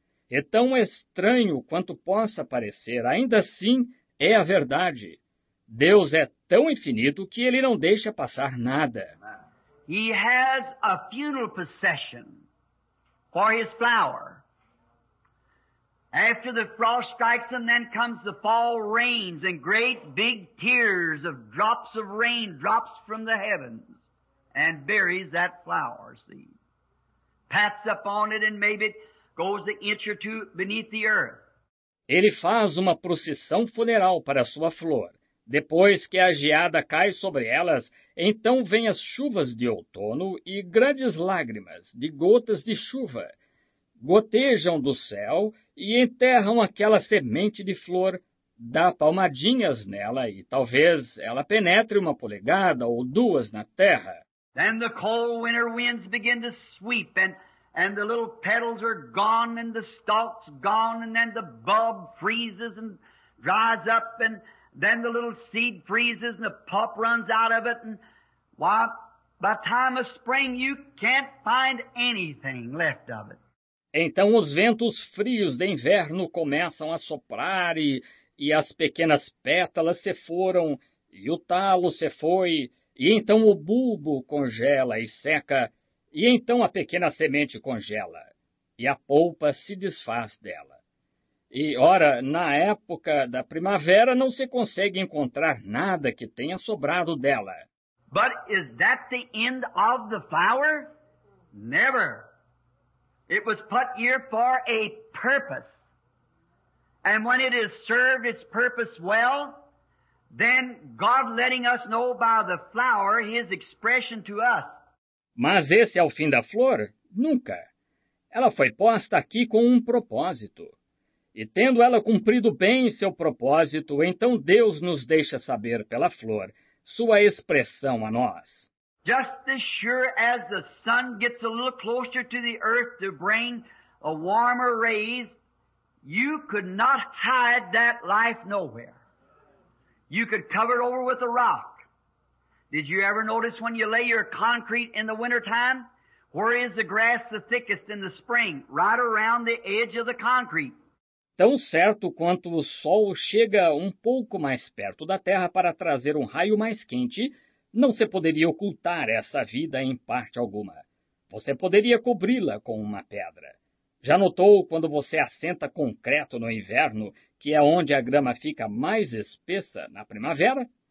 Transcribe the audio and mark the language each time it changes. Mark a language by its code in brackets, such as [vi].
[pt] É tão estranho quanto possa parecer, ainda assim é a verdade. Deus é tão infinito que ele não deixa passar nada. [en] He has a funeral procession for his flower. After the frost strikes him, then comes the fall rains and great big tears of drops of rain drops from the heavens and buries that flower seed. Pats upon it and maybe it goes an inch or two beneath the earth. [pt] Ele faz uma procissão funeral para sua flor. Depois que a geada cai sobre elas, então vêm as chuvas de outono e grandes lágrimas de gotas de chuva. Gotejam do céu e enterram aquela semente de flor, dá palmadinhas nela e talvez ela penetre uma polegada ou duas na terra. [en] Then the cold winter winds begin to sweep and the little petals are gone and the stalks gone and then the bulb freezes and dries up and Then the little seed freezes and the pulp runs out of it, and why, by time of spring you can't find anything left of it. [pt] Então os ventos frios de inverno começam a soprar e as pequenas pétalas se foram e o talo se foi e então o bulbo congela e seca e então a pequena semente congela e a polpa se desfaz dela. E, ora, na época da primavera não se consegue encontrar nada que tenha sobrado dela. [en] But is that the end of the flower? Never. It was put here for a purpose. And when it has served its purpose well, then God letting us know by the flower his expression to us. [pt] Mas esse é o fim da flor? Nunca. Ela foi posta aqui com um propósito. E tendo ela cumprido bem seu propósito, então Deus nos deixa saber pela flor sua expressão a nós. [en] Just as sure as the sun gets a little closer to the earth to bring a warmer rays, you could not hide that life nowhere. You could cover it over with a rock. Did you ever notice when you lay your concrete in the wintertime? Where is the grass the thickest in the spring? Right around the edge of the concrete. [pt] Tão certo quanto o sol chega um pouco mais perto da terra para trazer um raio mais quente, não se poderia ocultar essa vida em parte alguma. Você poderia cobri-la com uma pedra. Já notou quando você assenta concreto no inverno, que é onde a grama fica mais espessa na primavera?